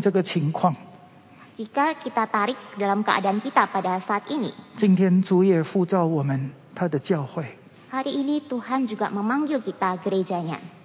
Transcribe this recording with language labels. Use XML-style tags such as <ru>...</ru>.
<id>Jika kita tarik dalam keadaan kita pada saat ini.</id> <zh>今天主也呼召我们, 祂的教会,</zh> <id>hari ini Tuhan juga memanggil kita gerejanya.</id>